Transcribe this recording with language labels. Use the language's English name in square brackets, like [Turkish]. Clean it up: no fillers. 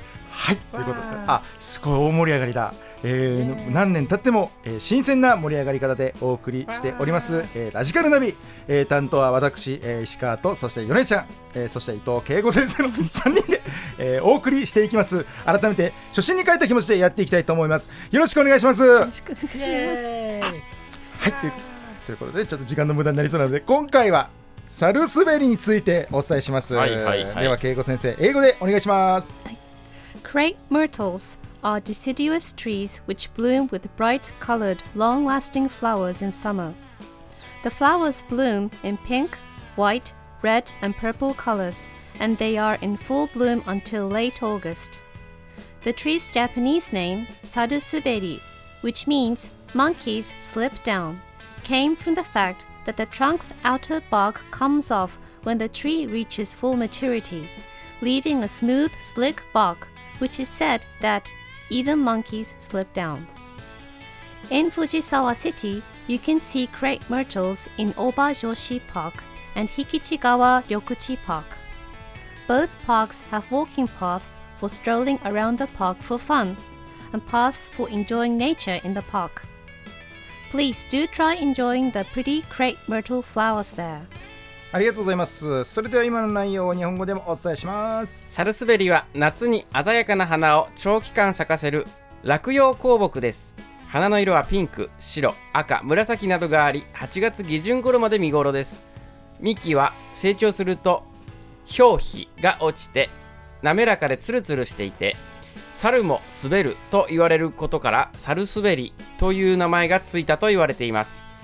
[Japanese] はい、ということで、あ、すごい大盛り上がりだ。何年経っても、新鮮な盛り上がり方でお送りしております、ラジカルナビ、担当は私、石川と、そして米ちゃん、そして伊藤恵子先生の3人で、お送りしていきます。改めて初心に帰った気持ちでやっていきたいと思います。よろしくお願いします。よろしくお願いします。はい、ということで、ちょっと時間の無駄になりそうなので、今回はサルスベリについてお伝えします。はいはいはい、では恵子先生、英語でお願いします。 [English] Crape myrtlesare deciduous trees which bloom with bright colored long-lasting flowers in summer. The flowers bloom in pink, white, red, and purple colors, and they are in full bloom until late August. The tree's Japanese name, Sarusuberi, which means monkeys slip down, came from the fact that the trunk's outer bark comes off when the tree reaches full maturity, leaving a smooth, slick bark, which is said thateven monkeys slip down. In Fujisawa City, you can see crape myrtles in Obajoshi Park and Hikichigawa Ryokuchi Park. Both parks have walking paths for strolling around the park for fun, and paths for enjoying nature in the park. Please do try enjoying the pretty crape myrtle flowers there. [Japanese] ありがとうございます。それでは今の内容を日本語でもお伝えします。サルスベリは夏に鮮やかな花を長期間咲かせる落葉高木です。花の色はピンク、白、赤、紫などがあり、8月下旬頃まで見頃です。幹は成長すると表皮が落ちて滑らかでツルツルしていて、サルも滑ると言われることからサルスベリという名前がついたと言われています。